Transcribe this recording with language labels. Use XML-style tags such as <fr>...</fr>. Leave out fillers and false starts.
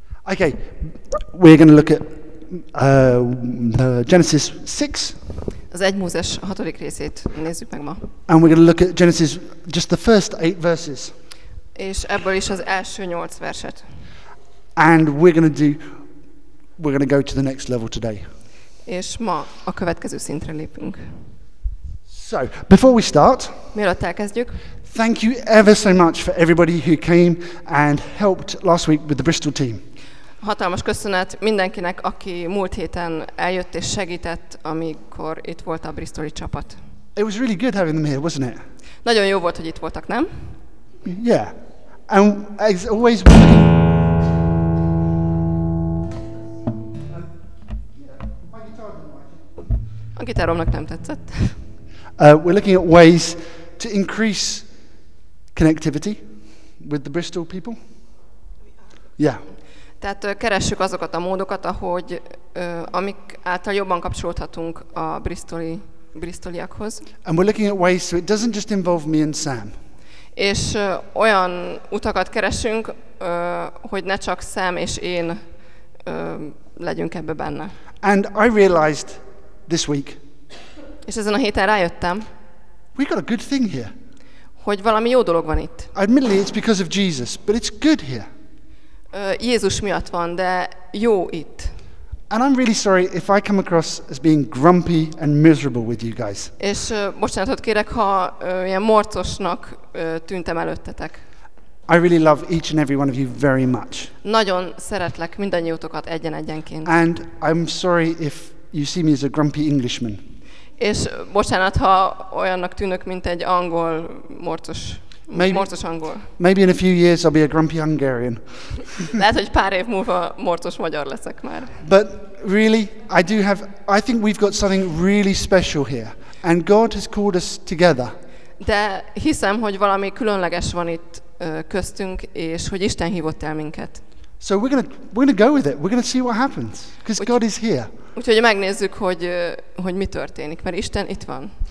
<en>Okay, we're going to look at Genesis 6.</en> <hu>Az 1 Mózes 6. részét nézzük meg ma.</hu> <en>And we're going to look at Genesis, just the first 8 verses.</en> <hu>És ebből is az első 8 verset.</hu> <en>And we're going to go to the next level today.</en> <hu>És ma a következő szintre lépünk.</hu> <en>So, before we start,</en> <hu>mielőtt elkezdjük,</hu> <en>thank you ever so much for everybody who came and helped last week with the Bristol team.</en> <hu>Hatalmas köszönet mindenkinek, aki múlt héten eljött és segített, amikor itt volt a bristoli csapat.</hu> <en>It was really good having them here, wasn't it?</en> <hu>Nagyon jó volt, hogy itt voltak, nem?</hu> <en>Yeah. And as always...</en> <hu>A gitáromnak nem tetszett.</hu> <en>We're looking at ways to increase connectivity with the Bristol people. Yeah.</en> <hu>Tehát keressük azokat a módokat, ahogy amik által jobban kapcsolódhatunk a bristoliakhoz.</hu> <en>And we're looking at ways so it doesn't just involve me and Sam.</en> <hu>És olyan utakat keresünk, hogy ne csak Sam és én legyünk ebbe benne.</hu> <en>And I realized this week.</en> <hu>És ezen a héten rájöttem.</hu> <en>We got a good thing here.</en> <hu>Hogy valami jó dolog van itt.</hu> <en>Admittedly, it's because of Jesus, but it's good here.</en> <hu>Jézus miatt van, de jó itt.</hu> <en>And I'm really sorry if I come across as being grumpy and miserable with you guys.</en> <hu>És bocsánatot kérek, ha ilyen morcosnak tűntem előttetek.</hu> <en>I really love each and every one of you very much.</en> <hu>Nagyon szeretlek mindannyiótokat egyen-egyenként.</hu> <en>And I'm sorry if you see me as a grumpy Englishman.</en> <hu>És bocsánat, ha olyannak tűnök, mint egy angol morcos.</hu> <en>Maybe in a few years I'll be a grumpy Hungarian.</en> <hu>Lehet, hogy pár év múlva morcos magyar leszek már.</hu> <en>But really, I think we've got something really special here, and God has called us together.</en> <hu>De hiszem, hogy valami különleges van itt köztünk, és hogy Isten hívott el minket.</hu> <en>So we're gonna go with it. We're gonna see what happens, because God is here.</en> <hu>Úgyhogy megnézzük, hogy mi történik, mert Isten itt van.</hu>